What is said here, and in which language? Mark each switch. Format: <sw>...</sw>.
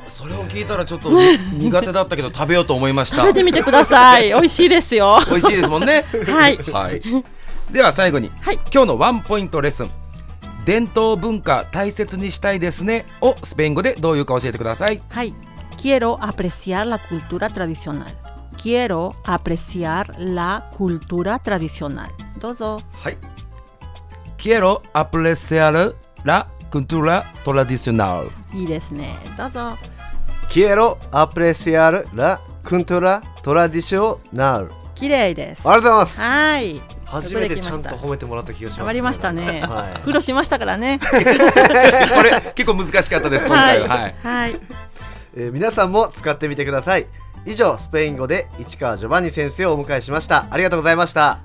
<ja>それを聞いたらちょっと苦手だったけど食べようと思いました。食べてみてください。美味しいですよ。美味しいですもんね。はい、はい、では最後に、はい、今日のワンポイントレッスン、伝統文化大切にしたいですねをスペイン語でどういうか教えてください。</ja> <es>はい、 Quiero apreciar la cultura tradicionalQuiero apreciar la cultura tradicional.</es> <ja>どうぞ。はい。</ja> <es>Quiero apreciar la cultura tradicional.</es> <ja>いいですね。どうぞ。</ja> <es>Quiero apreciar la cultura tradicional.</es> <ja>綺麗です。ありがとうございます。はい。初めてちゃんと褒めてもらった気がします。頑張りましたね。苦労しましたからね。これ結構難しかったです、今回は。はい。はい、皆さんも使ってみてください。以上、スペイン語で市川ジョバンニ先生をお迎えしました。ありがとうございました。</ja>